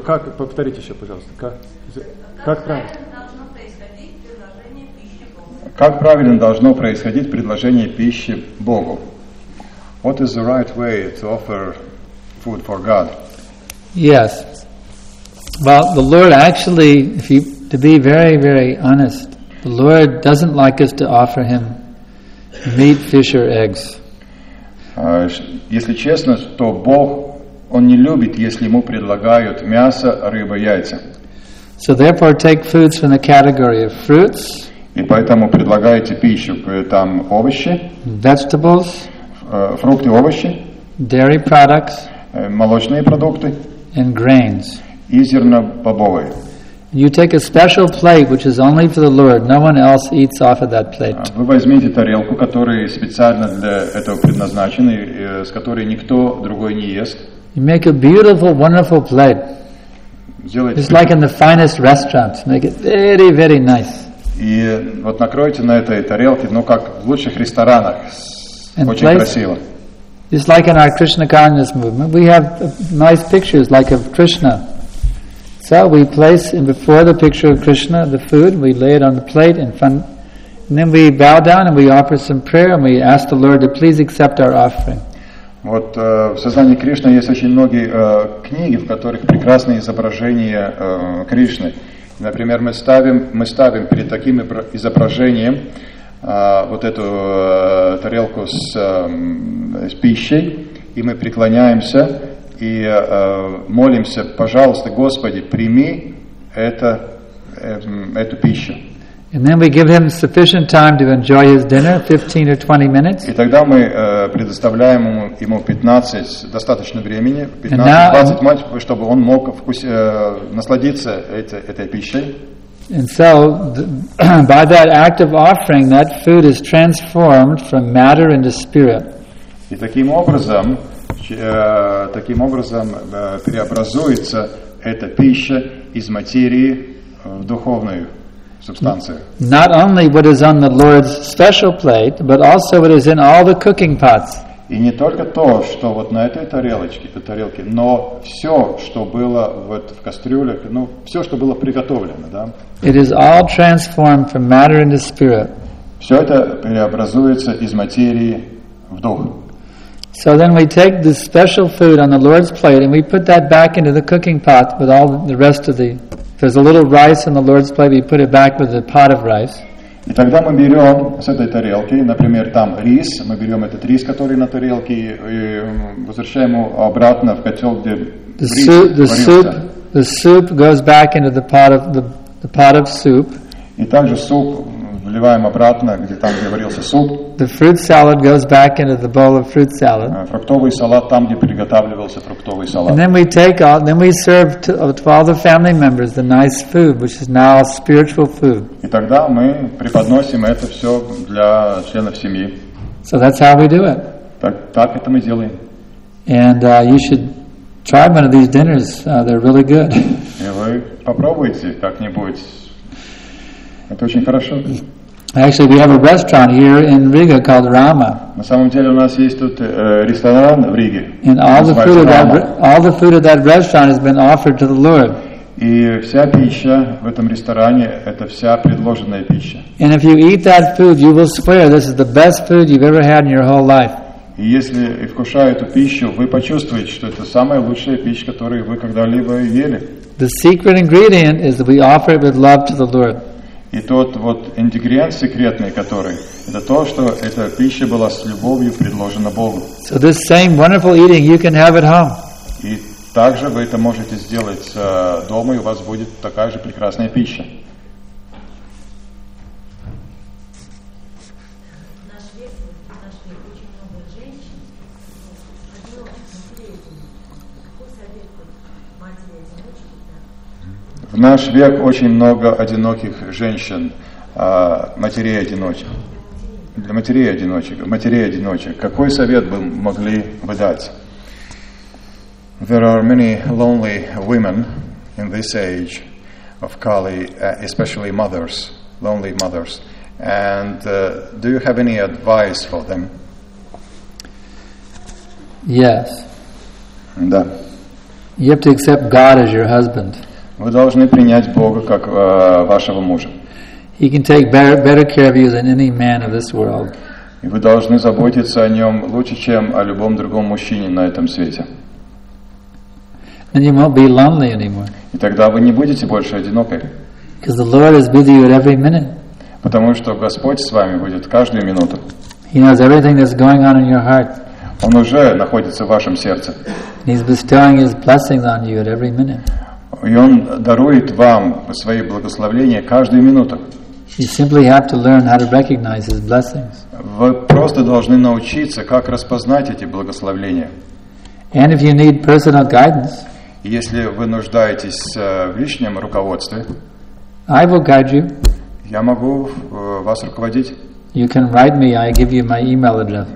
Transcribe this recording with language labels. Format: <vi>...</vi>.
<ru>Как повторите еще, пожалуйста. Как правильно должно происходить предложение пищи Богу? Как правильно должно происходить предложение пищи Богу?</ru> <en>What is the right way to offer food for God? Yes. Well, the Lord actually, if you to be very, very honest, the Lord doesn't like us to offer him meat, fish, or eggs.</en> <ru>Если честно, то Бог, он не любит, если ему предлагают мясо, рыбу, яйца.</ru> <en>So therefore, take foods from the category of fruits.</en> <ru>И поэтому предлагайте пищу, там овощи,</ru> <en>vegetables,</en> <ru>фрукты, овощи,</ru> <en>dairy products,</en> <ru>молочные продукты,</ru> <en>and grains.</en> <ru>И зернобобовые.</ru> <en>You take a special plate, which is only for the Lord. No one else eats off of that plate.</en> <ru>Вы возьмите тарелку, которая специально для этого предназначена, с которой никто другой не ест.</ru> <en>You make a beautiful, wonderful plate.</en> <ru>Сделайте.</ru> <en>It's like in the finest restaurants. Make it very, very nice.</en> <ru>И вот накройте на этой тарелке, ну как в лучших ресторанах, очень красиво.</ru> <en>It's like in our Krishna consciousness movement. We have nice pictures, like of Krishna. So we place in before the picture of Krishna the food, we lay it on the plate in front, and then we bow down and we offer some prayer and we ask the Lord to please accept our offering.</en> <ru>Вот в сознании Кришны есть очень многие книги, в которых прекрасные изображения Кришны. Например, мы ставим перед таким изображением вот эту тарелку с пищей, и мы преклоняемся и молимся, пожалуйста, Господи, прими эту пищу.</ru> <en>And then we give him sufficient time to enjoy his dinner, 15 or 20 minutes.</en> <ru>И тогда мы предоставляем ему 15 достаточно времени, 15-20 минут, чтобы он мог насладиться этой пищей.</ru> <en>And so, by that act of offering, that food is transformed from matter into spirit.</en> <ru>И таким образом преобразуется эта пища из материи в духовную субстанцию.</ru> <en>Not only what is on the Lord's special plate, but also what is in all the cooking pots.</en> <ru>И не только то, что вот на этой тарелке, но все, что было вот в кастрюлях, ну все, что было приготовлено, да?</ru> <en>It is all transformed from matter into spirit.</en> <ru>Все это преобразуется из материи в дух.</ru> <en>So then we take this special food on the Lord's plate and we put that back into the cooking pot with all the rest of the there's a little rice on the Lord's plate, we put it back with a pot of rice.</en> <ru>И тогда мы берем с этой тарелки, например, там рис, мы берем этот рис, который на тарелке, и возвращаем его обратно в котел, где</ru> <en>the soup goes back into the pot of soup.</en> <ru>И также суп вливаем обратно, где там, где варился суп.</ru> <en>The fruit salad goes back into the bowl of fruit salad.</en> <ru>Фруктовый салат там, где приготавливался фруктовый салат.</ru> <en>And then we take out, then we serve to all the family members the nice food, which is now spiritual food.</en> <ru>И тогда мы преподносим это все для членов семьи.</ru> <en>So that's how we do it.</en> <ru>Так это мы делаем.</ru> <en>And you should try one of these dinners. They're really good.</en> <ru>И вы попробуйте как-нибудь. Это очень хорошо.</ru> <en>Actually, we have a restaurant here in Riga called Rama.</en> <ru>На самом деле у нас есть тут ресторан в Риге.</ru> <en>And all the food of that restaurant has been offered to the Lord.</en> <ru>И вся пища в этом ресторане это вся предложенная пища.</ru> <en>And if you eat that food, you will swear this is the best food you've ever had in your whole life.</en> <ru>И если вкушая эту пищу, вы почувствуете, что это самая лучшая пища, которую вы когда-либо ели.</ru> <en>The secret ingredient is that we offer it with love to the Lord.</en> <ru>И тот вот ингредиент секретный, который, это то, что эта пища была с любовью предложена Богу.</ru> <en>So this same wonderful eating you can have at home.</en> <ru>И также вы это можете сделать дома, и у вас будет такая же прекрасная пища. В наш век очень много одиноких женщин, матерей-одиночек. Для матерей-одиночек. Какой совет бы могли вы дать?</ru> <en>There are many lonely women in this age of Kali, especially mothers, lonely mothers. And do you have any advice for them? Yes.</en> <ru>Да.</ru> <en>You have to accept God as your husband.</en> <ru>Вы должны принять Бога как вашего мужа.</ru> <en>He can take better care of you than any man of this world.</en> <ru>И вы должны заботиться о нем лучше, чем о любом другом мужчине на этом свете.</ru> <en>And you won't be lonely anymore.</en> <ru>И тогда вы не будете больше одинокой.</ru> <en>Because the Lord is with you at every minute.</en> <ru>Потому что Господь с вами будет каждую минуту.</ru> <en>He knows everything that's going on in your heart.</en> <ru>Он уже находится в вашем сердце.</ru> <en>He's bestowing his blessings on you at every minute.</en> <ru>И он дарует вам свои благословения каждую минуту.</ru> <en>You simply have to learn how to recognize his blessings.</en> <ru>Вы просто должны научиться, как распознать эти благословения.</ru> <en>And if you need personal guidance,</en> <ru>если вы нуждаетесь в личном руководстве,</ru> <en>I will guide you.</en> <ru>Я могу вас руководить.</ru> <en>You can write me. I give you my email address.</en>